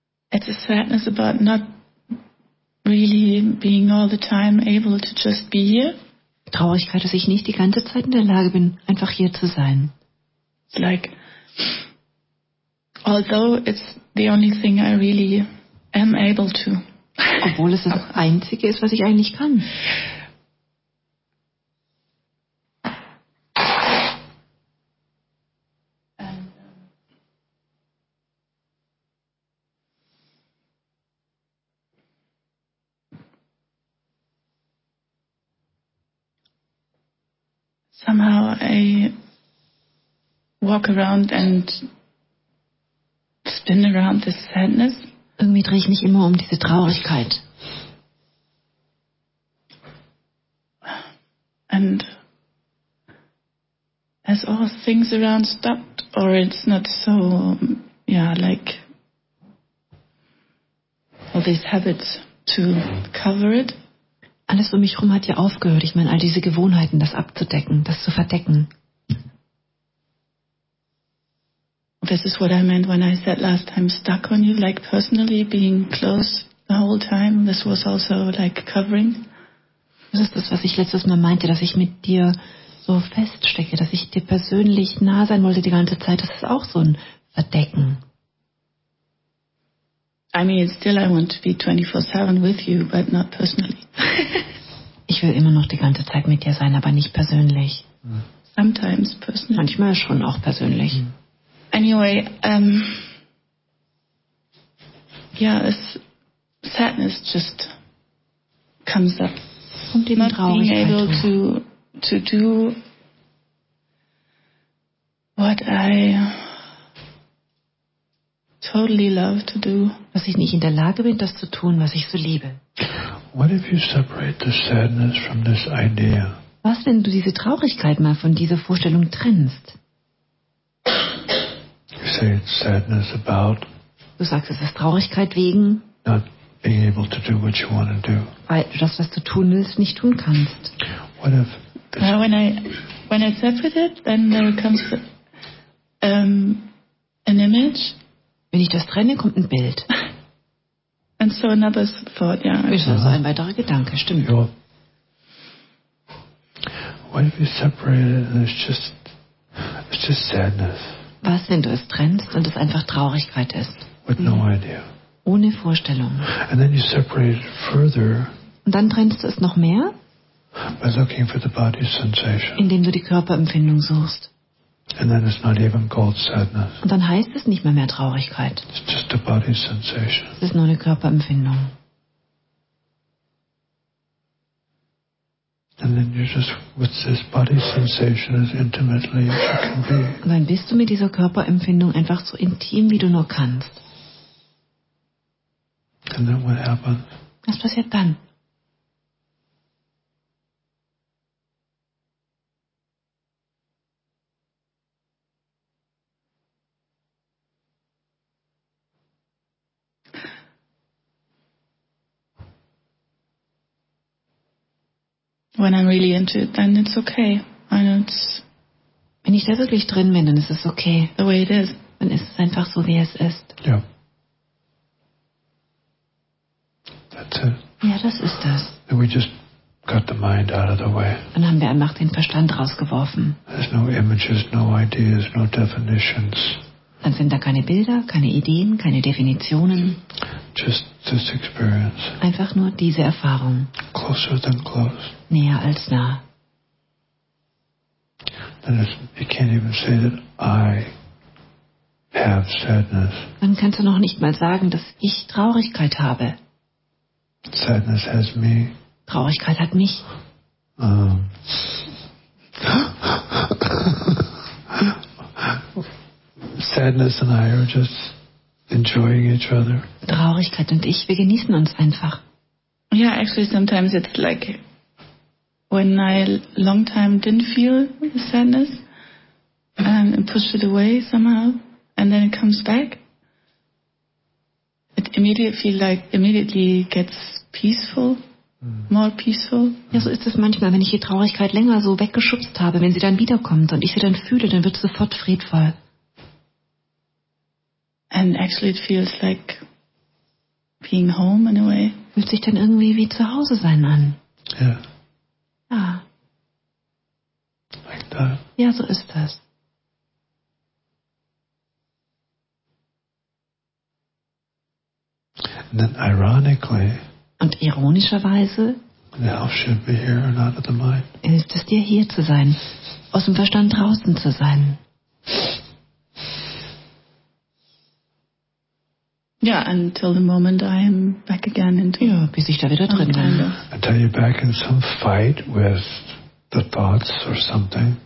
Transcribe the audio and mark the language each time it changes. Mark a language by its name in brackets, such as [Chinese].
[English] It's a sadness about not really being all the time able to just be here. [German] Traurigkeit, dass ich nicht die ganze Zeit in der Lage bin, einfach hier zu sein. [English] It's like, although it's the only thing I really am able to. [German] Obwohl es das Einzige ist, was ich eigentlich kann. [English] somehow I walk around and spin around this sadness. [German] Irgendwie drehe ich mich immer um diese Traurigkeit. [English] And as all things around stopped, or it's not so, yeah, like all these habits to cover it. [German] Alles um mich herum hat ja aufgehört. Ich meine, all diese Gewohnheiten, das abzudecken, das zu verdecken. [English] This is what I meant when I said last time, stuck on you, like personally being close the whole time. This was also like covering. [German] Das ist das, was ich letztes Mal meinte, dass ich mit dir so feststecke, dass ich dir persönlich nah sein wollte die ganze Zeit. Das ist auch so ein Verdecken. [English] I mean, still I want to be 24/7 with you, but not personally. [German] Ich will immer noch die ganze Zeit mit dir sein, aber nicht persönlich. [English] Sometimes personally. [German] Manchmal schon auch persönlich. [English] Anyway, this sadness just comes up. [German] Und [English] not being able to do what I totally love to do. [German] Was ich nicht in der Lage bin, das zu tun, was ich so liebe. [English] What if you separate the sadness from this idea? [German] Was, wenn du diese Traurigkeit mal von dieser Vorstellung trennst? [English] You say it's sadness about. [German] Du sagst, es ist Traurigkeit wegen. [English] Not being able to do what you want to do. [German] Weil du das, was du tun willst, nicht tun kannst. [English] What if? When I separate it, then there comes an image. [German] Wenn ich das trenne, kommt ein Bild. [English] And so another thought, yeah. [German] Okay. Also ein weiterer Gedanke, stimmt. Ja. [English] What if you separate it and it's just sadness? [German] Was, wenn du es trennst und es einfach Traurigkeit ist? [English] With no idea. [German] Ohne Vorstellung. [English] And then you separate it further. [German] Und dann trennst du es noch mehr? [English] By looking for the body sensation. [German] Indem du die Körperempfindung suchst. [English] And then it's not even called sadness. [German] Und dann heißt es nicht mehr Traurigkeit. [English] It's just a body sensation. [German] Es ist nur eine Körperempfindung. [English] And then you're just with this body sensation as intimately as you can be. [German] Und dann bist du mit dieser Körperempfindung einfach so intim, wie du nur kannst. [English] And then what happens? [German] Was passiert dann? [English] When I'm really into it, then it's okay. I know it's. [German] Wenn ich da wirklich drin bin, dann ist es okay. [English] The way it is. [German] Dann ist es einfach so, wie es ist. Ja. [English] That's it. [German] Ja, das ist das. [English] And we just got the mind out of the way. [German] Dann haben wir einfach den Verstand rausgeworfen. [English] There's no images, no ideas, no definitions. [German] Dann sind da keine Bilder, keine Ideen, keine Definitionen. [English] Just this experience. [German] Einfach nur diese Erfahrung. [English] Closer than close. [German] Näher als nah. [English] You can't even say that I have sadness. [German] Dann kannst du noch nicht mal sagen, dass ich Traurigkeit habe. [English] Sadness has me. [German] Traurigkeit hat mich. [English] Sadness and I are just enjoying each other. [German] Traurigkeit und ich, wir genießen uns einfach. [English] Yeah, actually sometimes it's like when I long time didn't feel the sadness and pushed it away somehow and then it comes back. It immediately gets peaceful, more peaceful. [German] Ja, so ist es manchmal, wenn ich die Traurigkeit länger so weggeschubst habe, wenn sie dann wiederkommt und ich sie dann fühle, dann wird es sofort friedvoll. [English] And actually it feels like being home in a way. [German] Fühlt sich dann irgendwie wie zu Hause sein an. [English] Yeah. [German] Ja. [English] Like that. [German] Ja, so ist das. [English] And then ironically. [German] Und ironischerweise. [English] The health should be here and out of the mind. [German] Hilft es dir hier zu sein, aus dem Verstand draußen zu sein. [English] Yeah, until the moment I am back again into. [German] Ja, bis ich da wieder drin bin. [English] Until you're back in some fight with the thoughts or something?